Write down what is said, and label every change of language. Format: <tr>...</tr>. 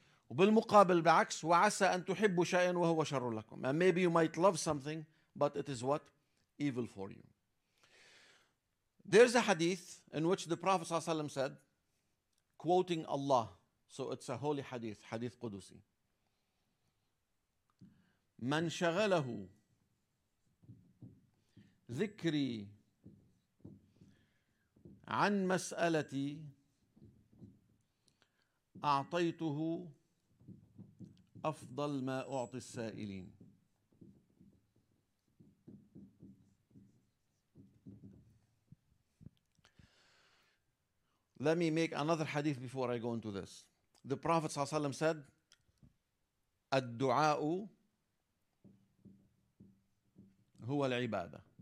<ar>وبالمقابل بعكس وعسى أن تحبوا شيئا وهو شر لكم.</ar> <en>And maybe you might love something, but it is what? Evil for you. There's a hadith in which the Prophet ﷺ said, quoting Allah, so it's a holy hadith, hadith Qudusi.</en> <ar>من شغله ذكري عن مسألتي أعطيته أفضل ما أعطي السائلين.</ar> <en>Let me make another hadith before I go into this. The Prophet ﷺ said,</en> <ar>الدعاء هو العبادة.</ar>